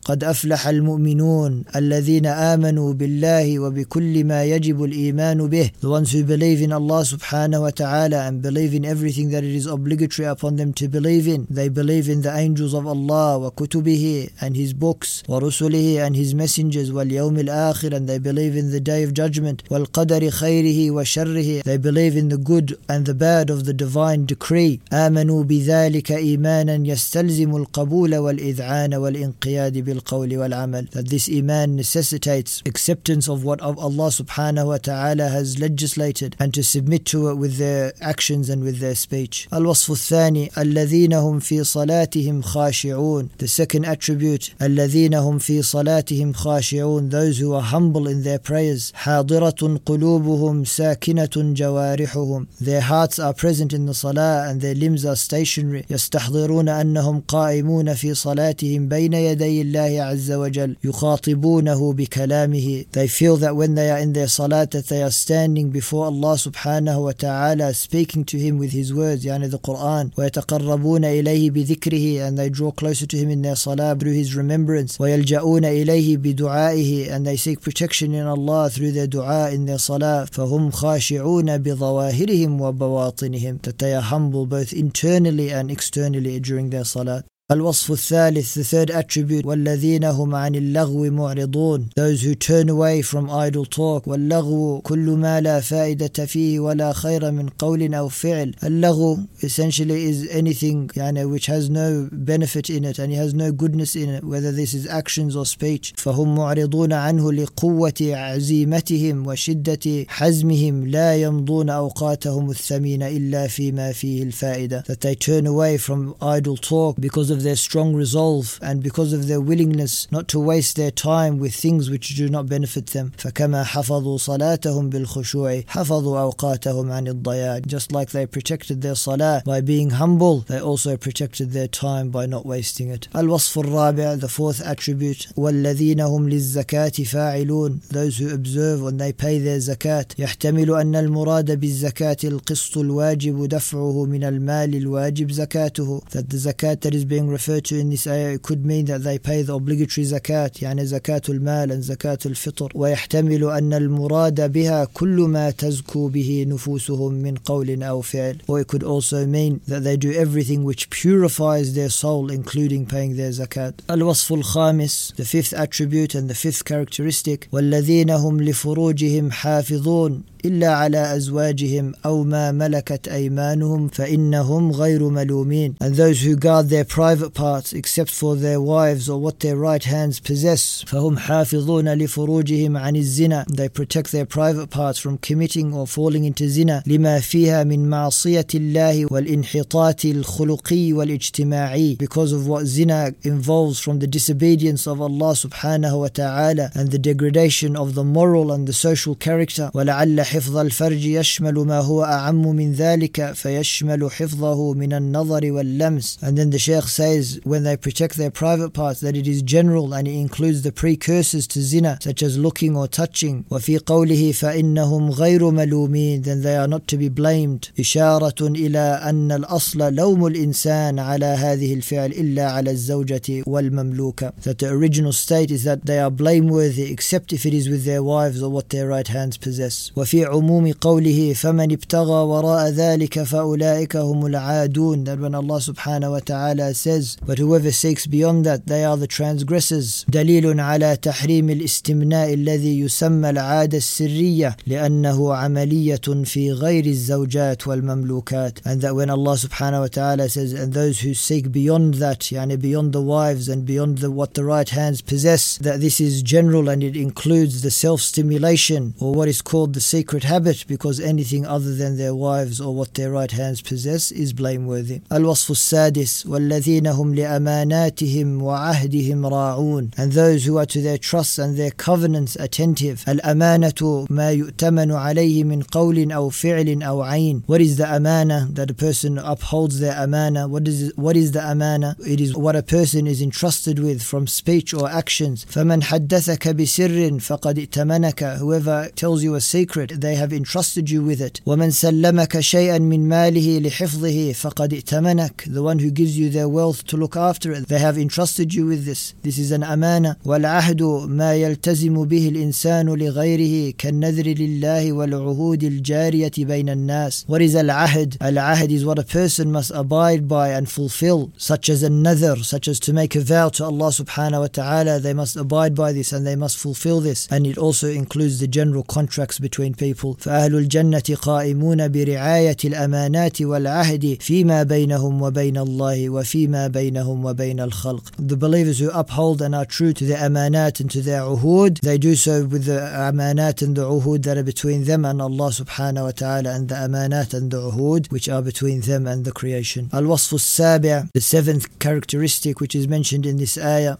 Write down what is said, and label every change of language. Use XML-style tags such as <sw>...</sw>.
<ar>قد أفلح المؤمنون الذين آمنوا بالله وبكل ما يجب الإيمان به.</ar> <en>The ones who believe in Allah subhanahu wa ta'ala and believe in everything that it is obligatory upon them to believe in. They believe in the angels of Allah</en> <ar>وكتبه</ar> <en>and his books</en> <ar>ورسله</ar> <en>and his messengers</en> <ar>واليوم الآخر,</ar> <en>and they believe in the day of judgment</en> <ar>والقدر خيره وشره.</ar> <en>They believe in the good and the bad of the divine decree.</en> <ar>آمنوا بذلك إيمانا يستلزم القبول والإذعان والإنقياد بالقول والعمل.</ar> <en>That this iman necessitates acceptance of what of Allah subhanahu wa ta'ala has legislated and to submit to it with their actions and with their speech.</en> <ar>الوصف الثاني الذين هم في صلاتهم خاشعون.</ar> <en>The second attribute,</en> <ar>الذين هم في صلاتهم خاشعون,</ar> <en>those who are humble in their prayers.</en> <ar>حاضرة قلوبهم ساكنة جوارحهم.</ar> <en>Their hearts are present in the salah and their limbs are stationary.</en> <ar>يستحضرون أنهم قائمون في صلاتهم بين يدي الله عز وجل يخاطبونه بكلامه.</ar> <en>They feel that when they are in their salah that they are standing before Allah subhanahu wa ta'ala speaking to him with his words,</en> <ar>يعني</ar> <en>the Quran.</en> <ar>ويتقربون إليه بذكره,</ar> <en>and they draw closer to him in their salah through his remembrance.</en> <ar>ويلجأون إليه بدعائه,</ar> <en>and they seek protection in Allah through their dua in their salah.</en> <ar>فهم خاشعون بظواهرهم وبواطنهم.</ar> <en>That they are humble both internally and externally during their salah.</en> <ar>الوصف الثالث,</ar> <en>the third attribute,</en> <ar>والذين هم عن اللغو معرضون,</ar> <en>those who turn away from idle talk.</en> <ar>واللغو كل ما لا فائدة فيه ولا خير من قول أو فعل.</ar> <en>اللغو essentially is anything</en> <ar>يعني</ar> <en>which has no benefit in it and it has no goodness in it, whether this is actions or speech.</en> <ar>فهم معرضون عنه لقوة عزيمتهم وشدة حزمهم لا يمضون أوقاتهم الثمينة إلا فيما فيه الفائدة.</ar> <en>That they turn away from idle talk because of their strong resolve and because of their willingness not to waste their time with things which do not benefit them.</en> <ar>فَكَمَا حَفَظُوا صَلَاتَهُمْ بِالْخُشُوعِ حَفَظُوا أَوْقَاتَهُمْ عَنِ الضَّيَاعِ.</ar> <en>Just like they protected their salah by being humble, they also protected their time by not wasting it.</en> <ar>الوصف الرابع,</ar> <en>the fourth attribute,</en> <ar>وَالَّذِينَ هُمْ لِلزَّكَاةِ فَاعِلُونَ,</ar> <en>those who observe when they pay their zakat.</en> <ar>يحتمل أن المراد بالزكاة القسط الواجب دفعه من المال الواجب زكاته.</ar> <en>That the zakat that is being referred to in this ayah, it could mean that they pay the obligatory zakat,</en> <ar>يعني</ar> <en>zakat al-mal and zakat al-fitr.</en> <ar>ويحتمل أن المراد بها كل ما تزكو به نفوسهم من قول أو فعل.</ar> <en>Or it could also mean that they do everything which purifies their soul, including paying their zakat.</en> <ar>الوصف الخامس,</ar> <en>the fifth attribute and the fifth characteristic,</en> <ar>والذين هم لفروجهم حافظون إلا على أزواجهم أو ما ملكت أيمانهم فإنهم غير ملومين.</ar> <en>And those who guard their private parts except for their wives or what their right hands possess.</en> <ar>فهم حافظون لفروجهم عن الزنا.</ar> <en>They protect their private parts from committing or falling into zina.</en> <ar>لما فيها من معصية الله والانحطاط الخلقي والاجتماعي.</ar> <en>Because of what zina involves from the disobedience of Allah subhanahu wa ta'ala and the degradation of the moral and the social character.</en> <ar>ولعل حفظ الفرج يشمل ما هو أعم من ذلك فيشمل حفظه من النظر واللمس.</ar> <en>And then the Sheikh says, when they protect their private parts, that it is general and it includes the precursors to zina, such as looking or touching.</en> <ar>وفي قوله فإنهم غير ملومين,</ar> <en>then they are not to be blamed.</en> <ar>إشارة إلى أن الأصل لوم الإنسان على هذه الفعل إلا على الزوجة والمملوكة.</ar> <en>That the original state is that they are blameworthy except if it is with their wives or what their right hands possess.</en> <ar>وفي عموم قوله فمن ابتغى وراء ذلك فأولئك هم العادون.</ar> <en>That when Allah subhanahu wa ta'ala says, but whoever seeks beyond that, they are the transgressors.</en> <ar>دليل على تحريم الاستمناء الذي يسمى العادة السرية لأنه عملية في غير الزوجات والمملوكات.</ar> <en>And that when Allah subhanahu wa ta'ala says, and those who seek beyond that,</en> <ar>يعني</ar> <en>beyond the wives and beyond the what the right hands possess, that this is general and it includes the self-stimulation or what is called the secret secret habit, because anything other than their wives or what their right hands possess is blameworthy.</en> <ar>الوصف السادس والذين هم لأماناتهم وعهدهم راعون,</ar> <en>and those who are to their trusts and their covenants attentive.</en> <ar>الأمانة ما يؤتمن عليه من قول أو فعل أو عين.</ar> <en>What is the amana? That a person upholds their amana. What is the amana? It is what a person is entrusted with from speech or actions.</en> <ar>فمن حدثك بسر فقد ائتمنك,</ar> <en>whoever tells you a secret, they have entrusted you with it.</en> <ar>ومن سلمك شيئا من ماله لحفظه فقد ائتمنك,</ar> <en>the one who gives you their wealth to look after it, they have entrusted you with this. This is an amana.</en> <ar>والعهد ما يلتزم به الإنسان لغيره كالنذر لله والعهود الجارية بين الناس.</ar> <en>What is العهد? العهد is what a person must abide by and fulfill, such as النذر, such as to make a vow to Allah subhanahu wa ta'ala. They must abide by this and they must fulfill this. And it also includes the general contracts between people. فأهل الجنة قائمون برعاية الأمانات والعهد فيما بينهم وبين الله وفيما بينهم وبين الخلق. The believers who uphold and are true to the amanat and to their uhud, they do so with the amanat and the uhud that are between them and Allah subhanahu wa ta'ala, and the amanat and the uhud which are between them and the creation.</en> <ar>الوصف السابع,</ar> <en>the seventh characteristic which is mentioned in this ayah.</en>